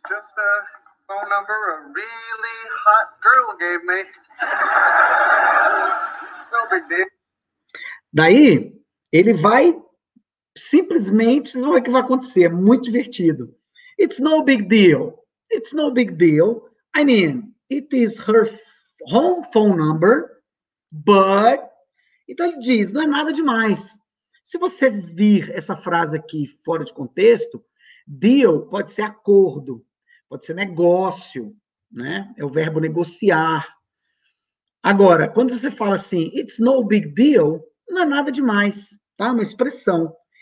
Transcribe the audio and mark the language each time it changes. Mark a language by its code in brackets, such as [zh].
[en] Just a phone number a really hot girl gave me. [pt] Daí, ele vai simplesmente, vocês vão ver o que vai acontecer, é muito divertido. [en] It's no big deal. It's no big deal. I mean, it is her home phone number, but... [pt] Então ele diz, não é nada demais. Se você vir essa frase aqui fora de contexto, deal pode ser acordo, pode ser negócio, né? É o verbo negociar. Agora, quando você fala assim, [en] it's no big deal, [pt] não é nada demais, tá? Uma expressão.